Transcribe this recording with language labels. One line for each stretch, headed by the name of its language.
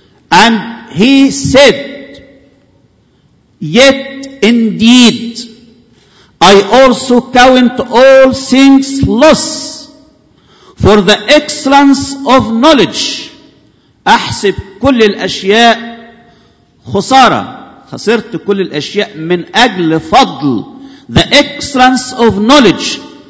English: And he said, "Yet indeed, I also count all things loss for the excellence of knowledge."
Arabic: أحسب كل الأشياء خسارة. خسرت كل الأشياء من أجل فضل.
English: The excellence of knowledge.